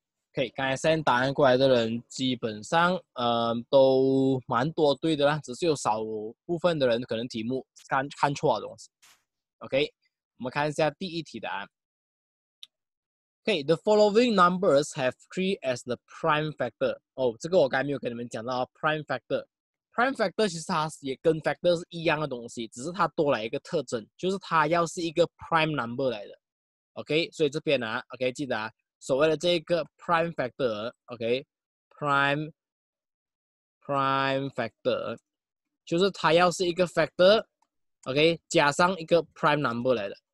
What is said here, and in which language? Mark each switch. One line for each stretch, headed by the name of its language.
Chinese: OK， 刚才 send 答案过来的人基本上，都蛮多对的啦，只是有少部分的人可能题目看错了东西。 OK， 我们看一下第一题答案。
English: Okay, the following numbers have 3 as the prime factor.
Chinese: 这个我刚才没有跟你们讲到 prime factor. Prime factor 其实它也跟 factor 是一样的东西，只是它多来一个特征，就是它要是一个 prime number 来的。 Okay, 所以这边记得所谓的这个 prime factor, prime factor, 就是它要是一个 factor, okay, 加上一个 prime number 来的。